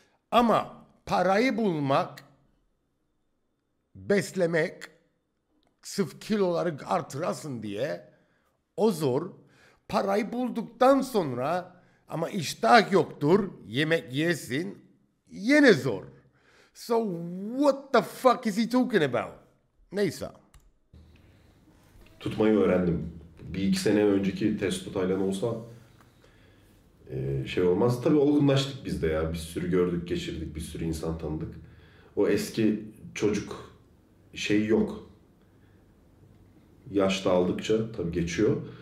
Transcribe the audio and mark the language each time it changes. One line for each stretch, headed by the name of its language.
Turkish: Ama parayı bulmak, beslemek, sırf kiloları artırasın diye o zor. Parayı bulduktan sonra ama iştah yoktur, yemek yesin, yine zor.
English: So what the fuck is he talking about?
Turkish: Neyse. Tutmayı öğrendim. Bir iki sene önceki test tutaylan olsa şey olmaz. Tabii olgunlaştık biz de ya. Bir sürü gördük, geçirdik. Bir sürü insan tanıdık. O eski çocuk şeyi yok. Yaş da aldıkça tabii geçiyor.